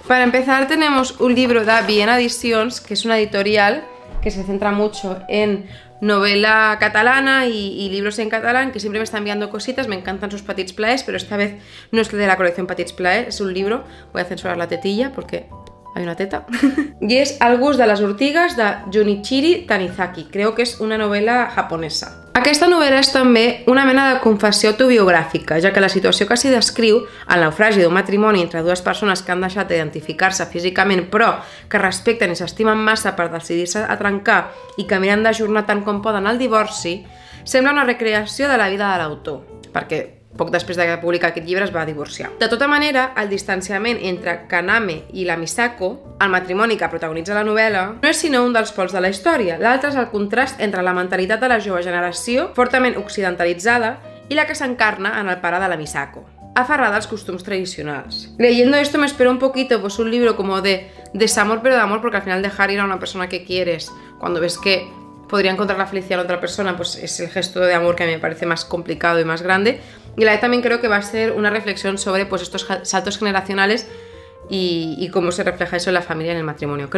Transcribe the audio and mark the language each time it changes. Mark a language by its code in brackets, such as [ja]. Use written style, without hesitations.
[es] Para empezar tenemos un libro de Bien Editions, que es una editorial que se centra mucho en novela catalana y libros en catalán, que siempre me están enviando cositas, me encantan sus Petits Plaers, pero esta vez no es de la colección Petits Plaers, es un libro, voy a censurar la tetilla porque hay una teta. Y es Al gust de las ortigas, de Junichiro Tanizaki, creo que es una novela japonesa. [ca] Aquesta novel·la és també una mena de confessió autobiogràfica, ja que la situació que s'hi descriu, el naufragi d'un matrimoni entre dues persones que han deixat d'identificar-se físicament però que respecten i s'estimen massa per decidir-se a trencar i que miren d'ajornar tant com poden el divorci, sembla una recreació de la vida de l'autor, perquè poc després de publicar aquest llibre es va divorciar. De tota manera, el distanciament entre Kaname i la Misako, el matrimoni que protagonitza la novel·la, no és sinó un dels pols de la història. L'altre és el contrast entre la mentalitat de la jove generació, fortament occidentalitzada, i la que s'encarna en el pare de la Misako, aferrada als costums tradicionals. [es] Leyendo esto me espero un poquito, pues un libro como de desamor pero de amor, porque al final dejar ir a una persona que quieres cuando ves que podría encontrar la felicidad en otra persona, pues es el gesto de amor que a mí me parece más complicado y más grande. Y la vez también creo que va a ser una reflexión sobre pues, estos saltos generacionales y cómo se refleja eso en la familia y en el matrimonio.